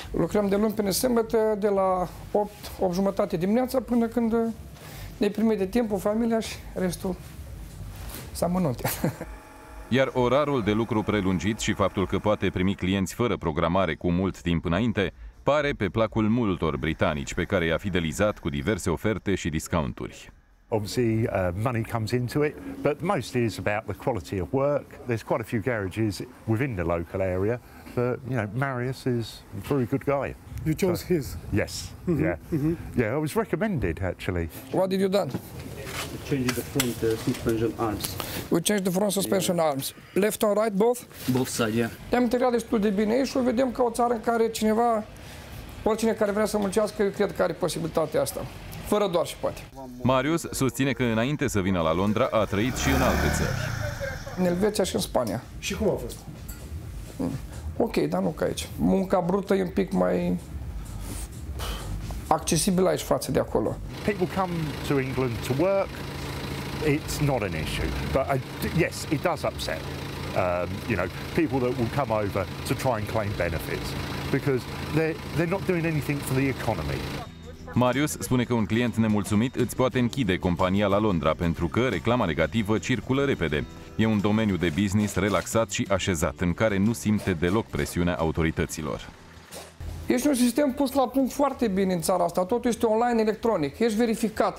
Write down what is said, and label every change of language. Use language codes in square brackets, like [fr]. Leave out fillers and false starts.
[ro] Lucrăm de luni până sâmbătă, de la 8:30 dimineața, până când ne primește de timpul familia și restul s-a mânut. Iar orarul de lucru prelungit și faptul că poate primi clienți fără programare cu mult timp înainte, pare pe placul multor britanici pe care i-a fidelizat cu diverse oferte și discounturi. [en] Obviously, money comes into it, but mostly it's about the quality of work. There's quite a few garages within the local area, but you know, Marius is a very good guy. You chose so, his? Yes. Mm-hmm. Yeah. Mm-hmm. Yeah. I was recommended actually. What did you done? We changed the front suspension arms. We changed the front suspension arms. Left and right, both? Both sides, yeah. [ro] Te-am integrat destul de bine și vedem că o țară în care cineva, oricine care vrea să muncească, cred că are posibilitatea asta. Fără doar și poate. Marius susține că înainte să vină la Londra a trăit și în alte țări. În Elveția și în Spania. Și cum a fost? Ok, dar nu ca aici. Munca brută e un pic mai accesibilă aici față de acolo. [en] People come to England to work. It's not an issue. But yes, it does upset. You know, people that will come over to try and claim benefits because they're not doing anything for the economy. [ro] Marius spune că un client nemulțumit îți poate închide compania la Londra pentru că reclama negativă circulă repede. E un domeniu de business relaxat și așezat, în care nu simte deloc presiunea autorităților. Ești un sistem pus la punct foarte bine în țara asta. Totul este online, electronic. Ești verificat.